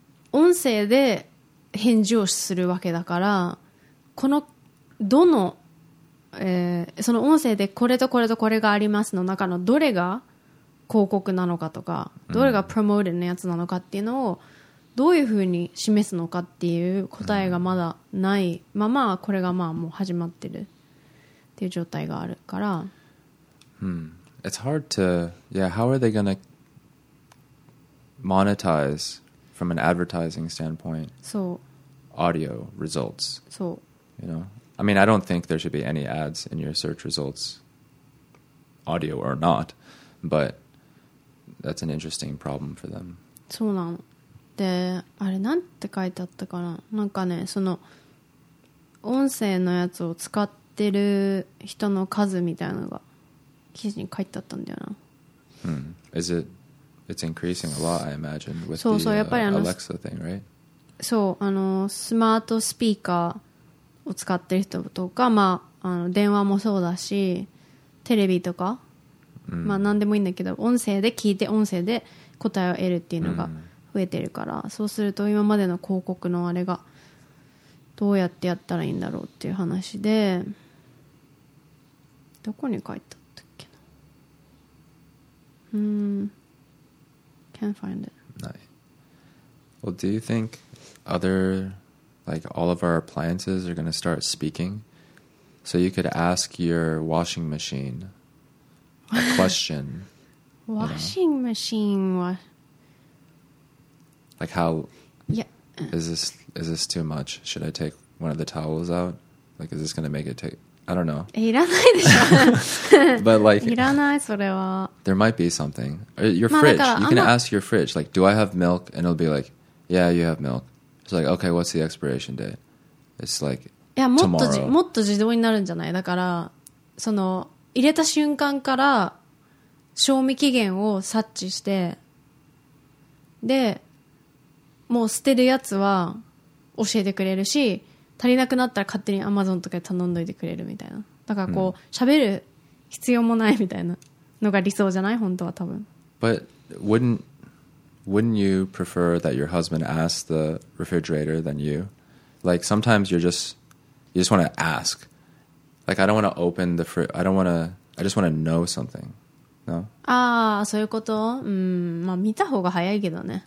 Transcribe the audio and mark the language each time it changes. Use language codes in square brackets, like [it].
[ja] 音声で返事をするわけだから、このどの、その音声でこれとこれとこれがありますの中のどれが広告なのかとか、どれがプロモーテッドのやつなのかっていうのをどういうふうに示すのかっていう答えがまだないまま、これがまあもう始まってるっていう状態があるから、 [en] It's hard to yeah how are they gonna monetize from an advertising standpoint [ja] そう [en] audio results [ja] そう [en] you know? I mean, I don't think there should be any ads in your search results, audio or not, but that's an interesting problem for them. [ja] そうなの。で、あれなんて書いてあったかな。なんかね、その音声のやつを使ってる人の数みたいなのが記事に書いてあったんだよな。 [en] Is it? It's increasing a lot, I imagine, with [ja] そうそう、やっぱり [en] Alexa thing, right? [ja] そう、スマートスピーカーを使ってる人とか、まあ、電話もそうだし、テレビとか、うん、まあ、何でもいいんだけど、音声で聞いて音声で答えを得るっていうのが増えてるから、うん、そうすると今までの広告のあれがどうやってやったらいいんだろうっていう話で、どこに書いてあったっけな、 [en] can't find it. Nice. Well, do you think other... Like all of our appliances are going to start speaking. So you could ask your washing machine a question. Washing machine? What? Like how? Yeah. Is this too much? Should I take one of the towels out? Like, is this going to make it take? I don't know. [ja] いらないでしょ。 [en] But like, [ja] いらないそれは。 [en] There might be something. Your fridge. You can ask your fridge. Like, do I have milk? And it'll be like, yeah, you have milk. It's like, okay, what's the expiration date? It's like, [ja] いや、もっと自動になるんじゃない?だから、その、入れた瞬間から、賞味期限を察知して、で、もう捨てるやつは教えてくれるし、足りなくなったら勝手に Amazon とかで頼んどいてくれるみたいな。だからこう、喋る必要もないみたいなのが理想じゃない?本当は多分。 [en] But wouldn't you prefer that your husband ask the refrigerator than you? Like, sometimes you just want to ask. Like, I don't want to open the fridge. I just want to know something. No? [ja] Ah, そういうこと? まあ、見た方が早いけどね。